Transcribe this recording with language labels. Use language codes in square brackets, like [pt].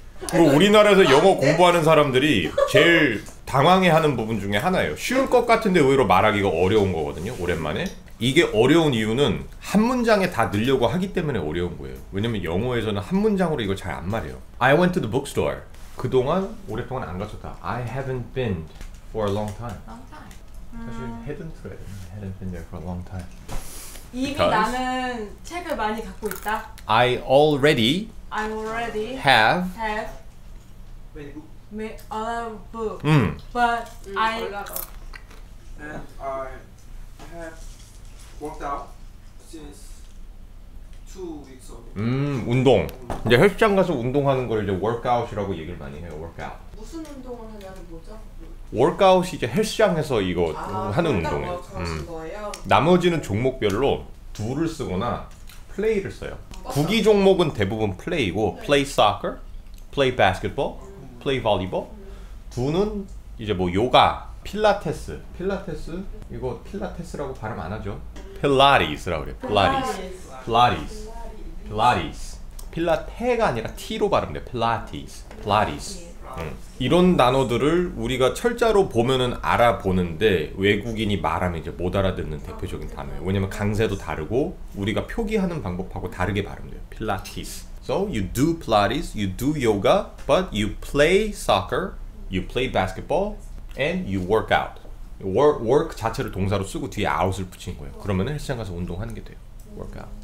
[ko] 그리고 우리나라에서 영어 공부하는 사람들이 제일 당황해하는 부분 중에 하나예요. 쉬울 것 같은데 의외로 말하기가 어려운 거거든요. 오랜만에. 이게 어려운 이유는 한 문장에 다 넣으려고 하기 때문에 어려운 거예요. 왜냐면 영어에서는 한 문장으로 이걸 잘 안 말해요. [en] I went to the bookstore. [ko] 그동안 오랫동안 안 갔었다. [en] I haven't been for a long time. Long time. [ko] 사실 [en] hadn't [ko] 해야 되는데 [en] hadn't been there for a long time. [ko] 이미 Because 나는 책을 많이 갖고 있다. [en] I already have many books. Many books. But I and I have worked out since 2 weeks. [ko] 운동. 이제 헬스장 가서 운동하는 걸 이제 워크아웃이라고 얘기를 많이 해요. 워크아웃. 무슨 운동을 하냐는 뭐죠? 워크아웃이 이제 헬스장에서 이거 하는 운동이에요. 나머지는 종목별로 둘을 쓰거나 플레이를 써요. 구기 종목은 대부분 플레이고 네. [en] play soccer, play basketball, play volleyball. [ko] 두는 이제 뭐 요가, 필라테스. 필라테스? 이거 필라테스라고 발음 안 하죠? 필라테스라고 그래. 필라테스. 필라테스. 필라테스. 필라테가 아니라 T로 발음돼. 필라테스. 필라테스. 이런 단어들을 우리가 철자로 보면은 알아보는데 외국인이 말하면 이제 못 알아듣는 대표적인 단어예요. 왜냐면 강세도 다르고 우리가 표기하는 방법하고 다르게 발음돼요. 필라테스. [en] So you do Pilates, you do yoga, but you play soccer, you play basketball, and you work out. [ko] Work 자체를 동사로 쓰고 뒤에 out을 붙인 거예요. 그러면은 헬스장 가서 운동하는 게 돼요. Workout.